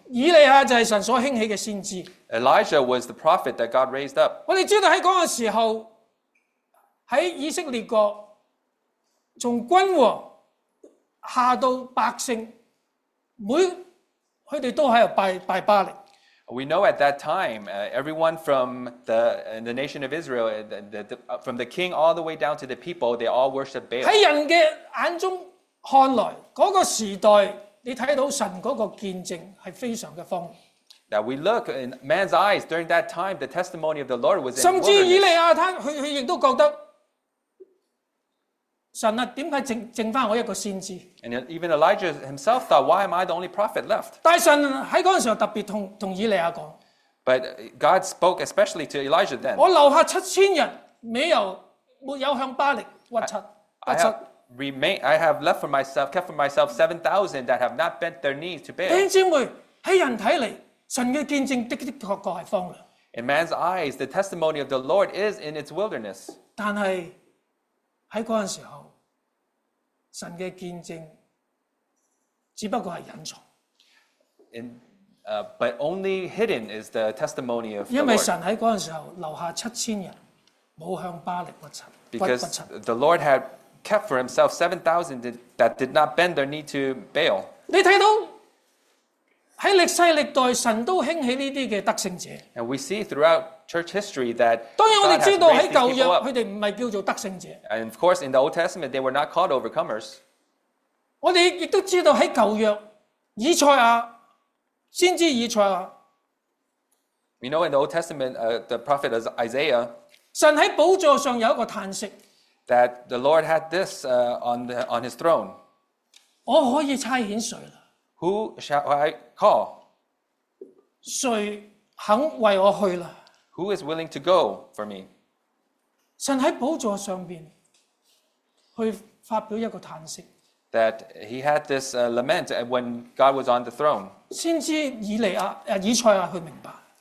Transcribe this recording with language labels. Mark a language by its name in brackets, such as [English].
[Chinese] 以利亚就是神所兴起的先知, [English] Elijah was the prophet that God raised up. [Chinese] 我们知道在那个时候, 在以色列国, 从君王, 下到百姓, 他们都在拜巴力。 [English] We know at that time, everyone from the nation of Israel, from the king all the way down to the people, they all worship Baal. [Chinese] 在人的眼中看来, 那个时代, 你看到神那个见证是非常的荒谬。 [English] Now we look in man's eyes, during that time, the testimony of the Lord was in the wilderness. [Chinese] 甚至以利亚他, 他也都觉得, 神啊,为什么剩下我一个先知? [English] And even Elijah himself thought, why am I the only prophet left? [Chinese] 但神在那时候特别跟以利亚说, [English] but God spoke especially to Elijah then. [Chinese] 我留下7000人, 没有向巴力屈膝。 [English] I have left for myself, kept for myself 7,000 that have not bent their knees to Baal. [Chinese] 弟兄姊妹, 在人看来, 神的见证的确是荒凉。 [English] In man's eyes, the testimony of the Lord is in its wilderness. [Chinese] 但是, 在那时候, 神的见证, 只不过是隐藏, [English] but only hidden is the testimony of the Lord. [Chinese] 因为神在那时候, 留下7000人, 没有向巴力屈膝, [English] because the Lord had kept for himself 7,000 that did not bend their knee to Baal. [Chinese] 你看到, 在历世历代, 神都兴起这些得胜者, [English] and we see throughout church history that [Chinese] 当然我们知道在旧约, [English] God has raised these people up. [Chinese] 他们不是叫做得胜者, [English] and of course in the Old Testament they were not called overcomers. [Chinese] 我们也都知道在旧约, 以赛亚, 先知以赛亚, [English] you know in the Old Testament the prophet Isaiah, [Chinese] 神在宝座上有一个叹息, [English] that the Lord had this on his throne. [Chinese] 我可以差遣谁了? [English] Who shall I call? [Chinese] 谁肯为我去了? [English] Who is willing to go for me? [Chinese] 神在宝座上面去发表一个叹息, [English] that he had this lament when God was on the throne. [Chinese] 先知以利亚、以赛亚去明白,